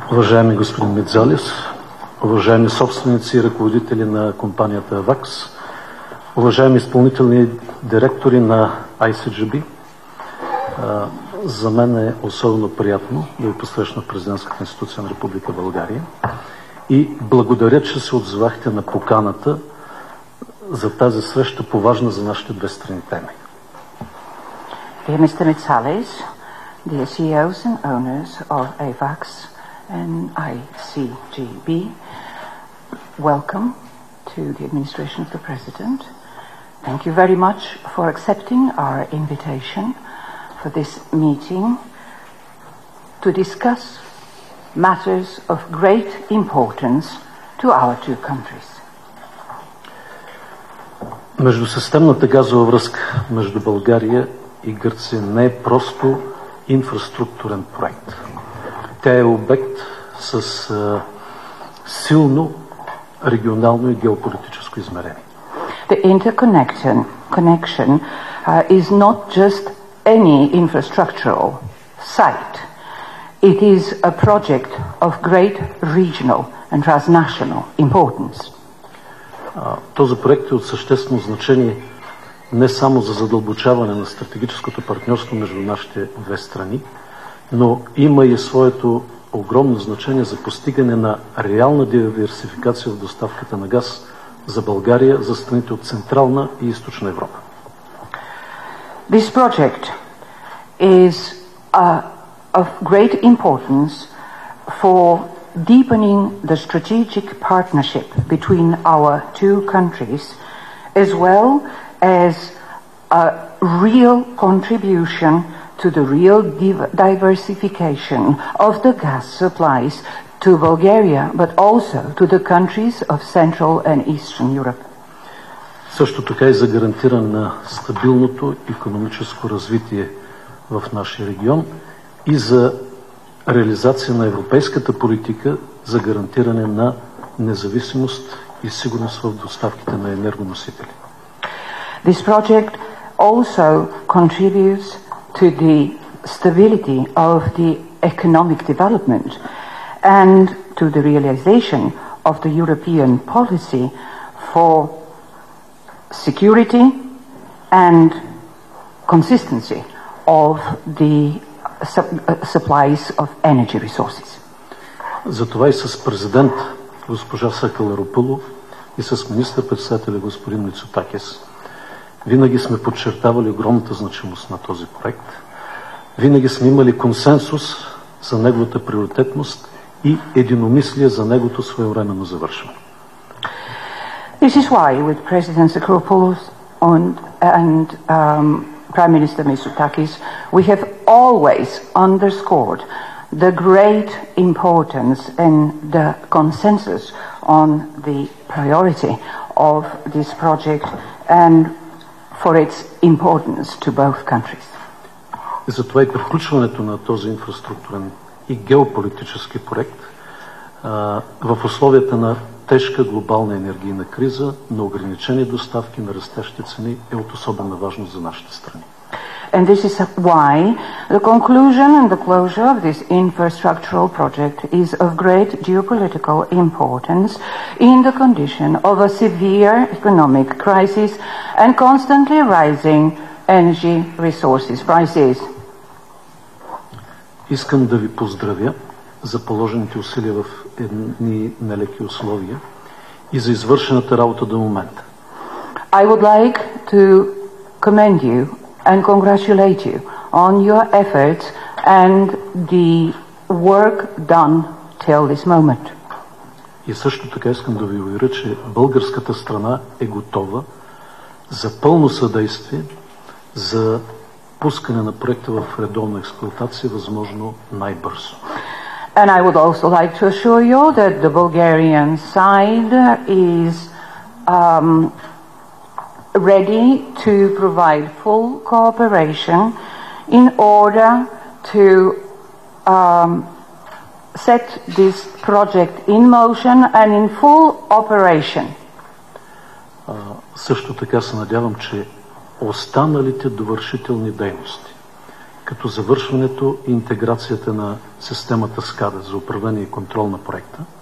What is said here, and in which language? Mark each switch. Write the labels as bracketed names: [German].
[Bulgarian] Уважаеми господин Медзалис, уважаеми собственици и ръководители на компанията Авакс, уважаеми изпълнителни директори на ICGB, за мен е особено приятно да ви посрещна в президентската институция на Република България и благодаря, че се отзвахте на поканата за тази среща, поважна за нашите две страни теми. [English] Dear Mr. Metzalis, dear CEOs and owners of Avacs and ICGB, welcome to the administration of the President. Thank you very much for accepting our invitation for this meeting to discuss matters of great importance to our two countries. [Bulgarian] Междусистемната газова връзка между България и Гърция не е просто инфраструктурен проект. Тя е обект с силно регионално и геополитическо измерение. [English] The interconnection is not just any infrastructural site. It is a project of great regional and transnational importance. [Bulgarian] Този проект е от съществено значение не само за задълбочаване на стратегическото партньорство между нашите две страни, но има и своето огромно значение за постигане на реална диверсификация в доставката на газ за България, за страните от Централна и Източна Европа. [English] This project is of great importance for deepening the strategic partnership between our two countries, as well as a real contribution to the real diversification of the gas supplies to Bulgaria, but also to the countries of Central and Eastern Europe. [Bulgarian] Също така и за гарантиране на стабилното икономическо развитие в нашия регион и за реализация на европейската политика за гарантиране на независимост и сигурност в доставките на енергоносители. [English] This project also contributes to the stability of the economic development and to the realization of the European policy for security and consistency of the supplies of energy resources. [Bulgarian] Затова и с президент госпожа Сакаларопулу и с министър-председателя господин Мицотакис винаги сме подчертавали огромната значимост на този проект. Винаги сме имали консенсус за неговата приоритетност и единомислие за негото своевременно завършване. [English] This is why with President Sakaropoulos and Prime Minister Mitsotakis, we have always underscored the great importance and the consensus on the priority of this project and for its importance to both countries. [Bulgarian] Затова и приключването на този инфраструктурен и геополитически проект в условията на тежка глобална енергийна криза, на ограничени доставки, на растящи цени е от особена важност за нашите страни. [English] And this is why the conclusion and the closure of this infrastructural project is of great geopolitical importance in the condition of a severe economic crisis and constantly rising energy resources prices. [Bulgarian] Искам да ви поздравя за положените усилия в едни нелеки условия и за извършената работа до момента. [English] I would like to commend you and congratulate you on your efforts and the work done till this moment. [Bulgarian] И също така искам да ви уверя, че българската страна е готова за пълно съдействие за пускане на проекта в редовна експлоатация възможно най-бързо. [English] And I would also like to assure you that the Bulgarian side is ready to provide full cooperation in order to set this project in motion and in full operation. [Bulgarian] Също така се надявам, че останалите довършителни дейности, като завършването и интеграцията на системата SCADA за управление и контрол на проекта.